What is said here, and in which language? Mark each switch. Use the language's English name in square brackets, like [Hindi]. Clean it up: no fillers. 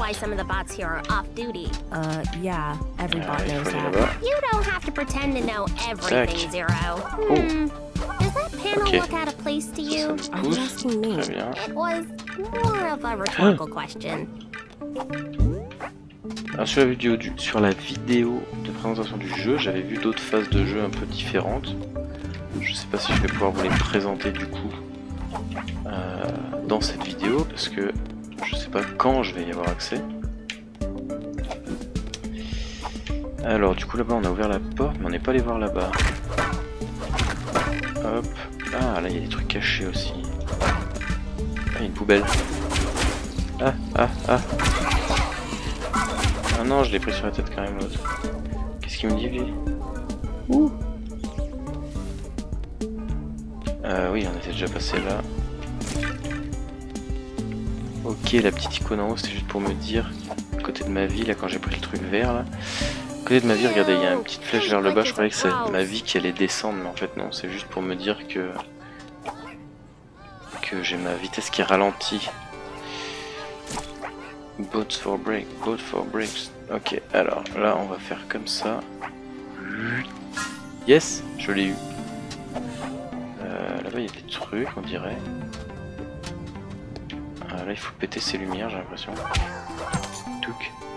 [English] That's why some of the bots here are off duty. Yeah, every bot knows that. You don't have to pretend to know everything, Zero. Hmm. Does that panel look out of place to you? I'm asking me. It was more of a rhetorical question. [French] Alors sur la vidéo de présentation du jeu, j'avais vu d'autres phases de jeu un peu différentes. Je sais pas si je vais pouvoir vous les présenter du coup. Dans cette vidéo, parce que je sais pas quand je vais y avoir accès. Alors, du coup, là-bas on a ouvert la porte, mais on n'est pas allé voir là-bas. Hop, ah là il y a des trucs cachés aussi. Ah, une poubelle. Ah, non, je l'ai pris sur la tête quand même l'autre. Qu'est-ce qu'il me dit lui? Ouh. Oui, on était déjà passé là. Ok, la petite icône en haut, c'est juste pour me dire à côté de ma vie, là, quand j'ai pris le truc vert, là. À côté de ma vie, regardez, il y a une petite flèche vers le bas, je croyais que c'est ma vie qui allait descendre, mais en fait, non, c'est juste pour me dire que... j'ai ma vitesse qui est ralentie. [English] Boats for break, boats for breaks. [French] Ok, alors, là, on va faire comme ça. Yes, je l'ai eu. Là-bas, il y a des trucs, on dirait. Là, il faut péter ses lumières, j'ai l'impression. Touk.